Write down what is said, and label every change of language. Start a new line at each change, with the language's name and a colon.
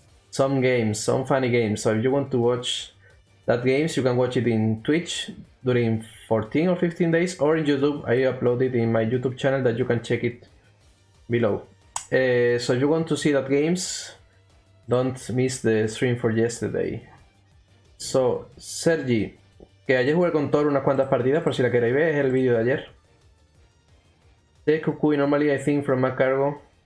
English: Some games, some funny games. So if you want to watch that games, you can watch it in Twitch during 14 or 15 days, or in YouTube. I uploaded in my YouTube channel that you can check it below. So if you want to see that games, don't miss the stream for yesterday.
Spanish: So, Sergi, que ayer jugué con Thor unas cuantas partidas, por si la queréis ver, es el vídeo de ayer.
English: Take Kukui normally, I think, from Mac Cargo.